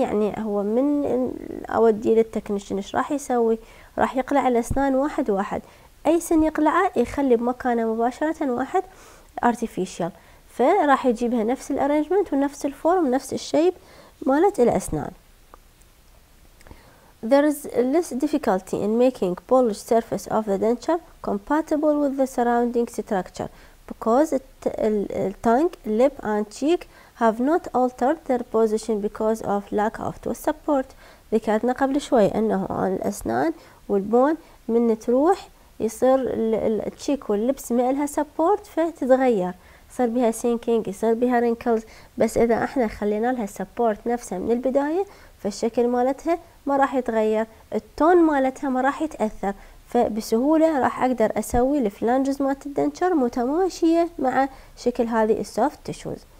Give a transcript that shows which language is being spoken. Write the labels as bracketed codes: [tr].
[ar] يعني هو من أودي للتكنيشن إيش راح يسوي؟ راح يقلع الأسنان واحد واحد، أي سن يقلعه يخلي بمكانه مباشرة واحد artificial، فراح يجيبها نفس الأرنجمنت ونفس الفورم نفس الشيب مالت الأسنان. [en] There is less difficulty in making polished surface of the denture compatible with the surrounding structure because tongue, lip and cheek have not altered their position because of lack of tooth support. [ar] ذكرنا قبل شوي انه الاسنان والبون من تروح يصير التشيك واللبس ما لها سبورت فتتغير، صار بها سينكينج، صار بها رينكلز، بس اذا احنا خلينا لها سبورت نفسها من البدايه فالشكل مالتها ما راح يتغير، التون مالتها ما راح يتأثر، فبسهولة راح أقدر أسوي الفلانجز مالت الدنتشر متماشية مع شكل هذه السوفت تشوز.